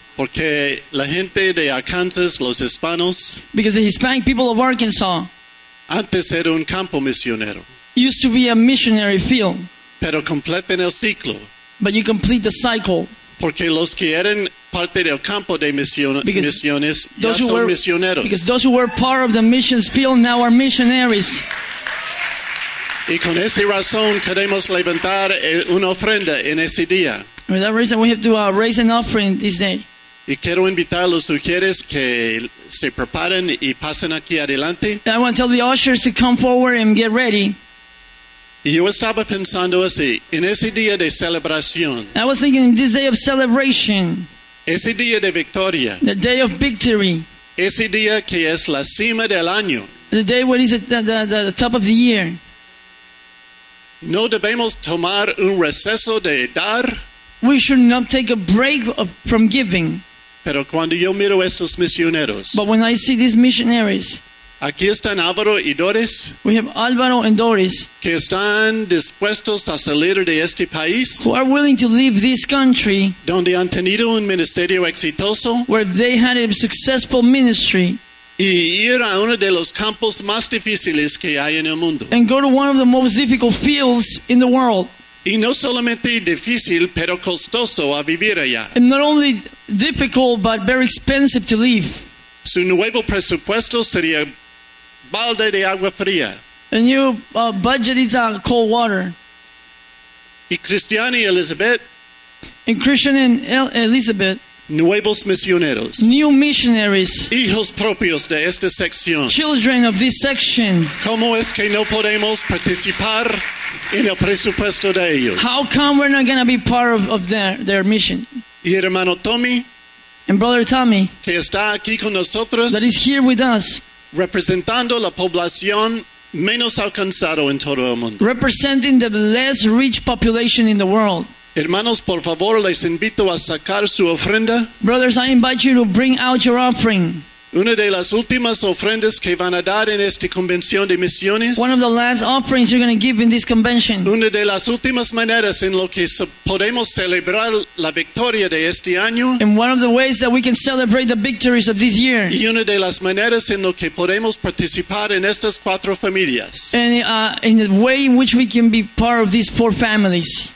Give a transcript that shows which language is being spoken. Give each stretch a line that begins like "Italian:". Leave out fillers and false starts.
Spanish: Porque la gente de Arkansas, los hispanos,
English: because the Hispanic people of Arkansas,
Spanish: antes era un campo misionero,
English: used to be a missionary field.
Spanish: Pero completan el ciclo.
English: But you complete the cycle.
Spanish: Porque los que eran parte del campo de misiones ya son misioneros.
English: Because those who were part of the missions field now are missionaries.
Spanish: Y con esa razón queremos levantar una ofrenda en ese día.
English: For that reason, we have to raise an offering this day.
Spanish: Y quiero invitar a los ushers que se preparen y pasen aquí adelante.
English: And I want to tell the ushers to come forward and get ready.
Spanish: Y yo estaba pensando así, en ese día de celebración.
English: I was thinking this day of celebration.
Spanish: Ese día de victoria.
English: The day of victory.
Spanish: Ese día que es la cima del año.
English: The day when is the top of the year.
Spanish: No debemos tomar un receso de dar.
English: We should not take a break from giving.
Spanish: Pero cuando yo miro estos misioneros,
English: but when I see these missionaries,
Spanish: Aquí están Álvaro y Doris.
English: We have Álvaro and Doris.
Spanish: Que están dispuestos a salir de este país.
English: Who are willing to leave this country.
Spanish: Donde han tenido un ministerio exitoso.
English: Where they had a successful ministry.
Spanish: Y ir a uno de los campos más difíciles que hay en el mundo.
English: And go to one of the most difficult fields in the world.
Spanish: Y no solamente difícil, pero costoso a vivir allá.
English: And not only difficult, but very expensive to live.
Spanish: Su nuevo presupuesto sería balde de agua fría.
English: A new budget is cold water.
Spanish: Y Cristiana y Elizabeth.
English: And Christian and Elizabeth.
Spanish: Nuevos misioneros.
English: New missionaries.
Spanish: Hijos propios de esta sección.
English: Children of this section.
Spanish: ¿Cómo es que no podemos participar en el presupuesto de ellos?
English: How come we're not going to be part of their mission?
Spanish: Y hermano Tommy.
English: And brother Tommy.
Spanish: Que está aquí con nosotros.
English: That is here with us.
Spanish: Representando la población menos alcanzada en todo el mundo.
English: Representing the less rich population in the world.
Spanish: Hermanos, por favor, les invito a sacar su ofrenda.
English: Brothers, I invite you to bring out your offering.
Spanish: Una de las últimas ofrendas que van a dar en esta convención de misiones.
English: One of the last offerings you're going to give in this convention.
Spanish: Una de las últimas maneras en lo que podemos celebrar la victoria de este año.
English: And one of the ways that we can celebrate the victories of this year.
Spanish: Y una de las maneras en lo que podemos participar en estas cuatro familias.
English: And in the way in which we can be part of these four families.